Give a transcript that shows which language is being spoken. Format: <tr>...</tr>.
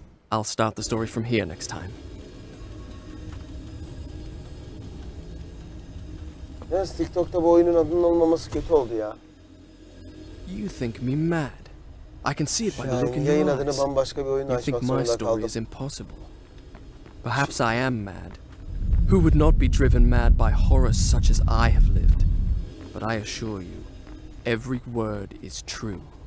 <en>I'll start the story from here next time.</en> <tr>Yes, TikTok'ta bu oyunun adının olmaması kötü oldu ya.</tr> <en>You think me mad? I can see it by the look in your eyes.</en> <tr>Yayın adını bambaşka bir oyunda açmak zorunda kaldım.</tr> <en>Is impossible. Perhaps I am mad. Who would not be driven mad by horrors such as I have lived? But I assure you, every word is true.</en>